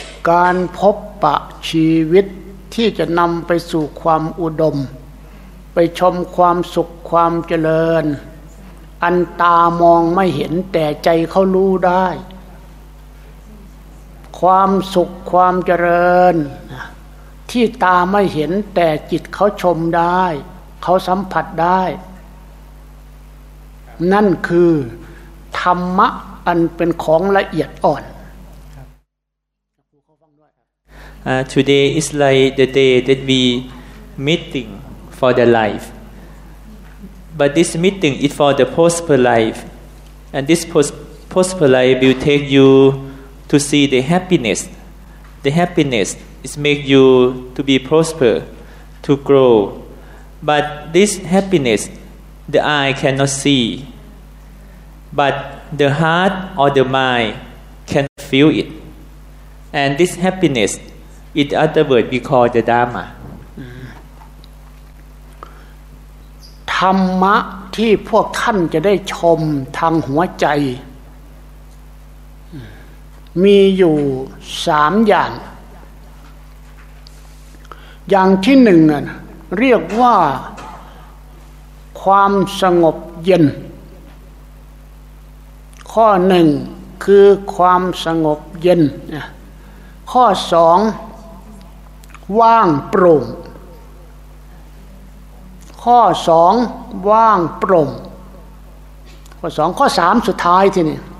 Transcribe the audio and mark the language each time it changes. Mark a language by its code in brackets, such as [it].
[th] การพบปะชีวิตที่จะนำไปสู่ความอุดมไปชมความสุขความเจริญอันตามองไม่เห็นแต่ใจเขารู้ได้ความสุขความเจริญที่ตาไม่เห็นแต่จิตเขาชมได้เขาสัมผัสได้นั่นคือธรรมะอันเป็นของละเอียดอ่อน [en] Today is like the day that we meeting for the life. But this meeting is for the prosper life. And this prosper life will take you to see the happiness. The happiness is make you to be prosper, to grow. But this happiness, the eye cannot see. But the heart or the mind can feel it. And this happiness, in the other word, we call the Dharma. [th] ธรรมะที่พวกท่านจะได้ชมทางหัวใจมีอยู่สามอย่าง อย่างที่หนึ่งเรียกว่าความสงบเย็นข้อ1คือความสงบเย็นข้อ2ว่างโปร่งข้อ2ว่างโปร่งข้อ2ข้อ3สุดท้ายทีนี้